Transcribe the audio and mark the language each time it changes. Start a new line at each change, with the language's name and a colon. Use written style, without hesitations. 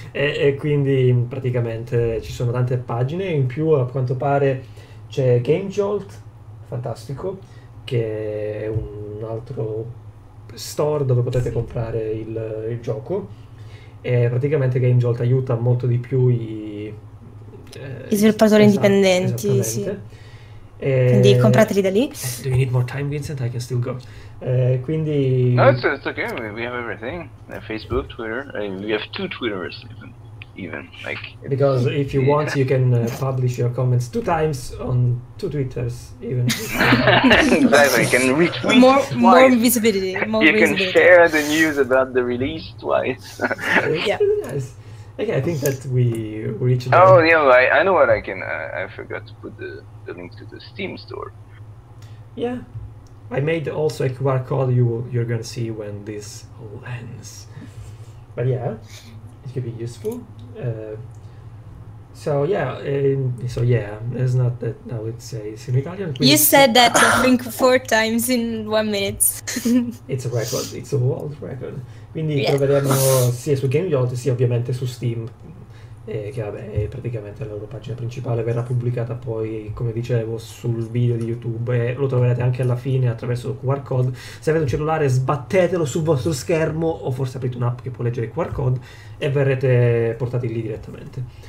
Italian: E quindi praticamente ci sono tante pagine, in più a quanto pare c'è Game Jolt, fantastico, che è un altro store dove potete comprare il gioco, e praticamente Game Jolt aiuta molto di più i sviluppatori indipendenti, sì. Quindi comprateli da lì.
English: Do you need more time, Vincent? I can still go.
Italian: Quindi
English: no, it's okay, we have everything. Facebook, Twitter, we have two Twitters even like, because if you want you can publish your comments two times on two Twitters even. Exactly, you can retweet more visibility. Share the news about the release twice. Yeah. Okay, I think that we reached. Oh end. Yeah, I know what I can. I forgot to put the link to the Steam store. Yeah, I made also a QR code. You're gonna see when this all ends. But yeah, it could be useful. It's not that I would say it's in Italian. You said that I think four times in 1 minute. It's a record, it's a world record.
Italian: Quindi yeah. Troveremo sia su Game Yacht sia ovviamente su Steam, che vabbè è praticamente la loro pagina principale, verrà pubblicata poi, come dicevo, sul video di YouTube, e lo troverete anche alla fine attraverso il QR code. Se avete un cellulare, sbattetelo sul vostro schermo, o forse aprite un'app che può leggere il QR code e verrete portati lì direttamente.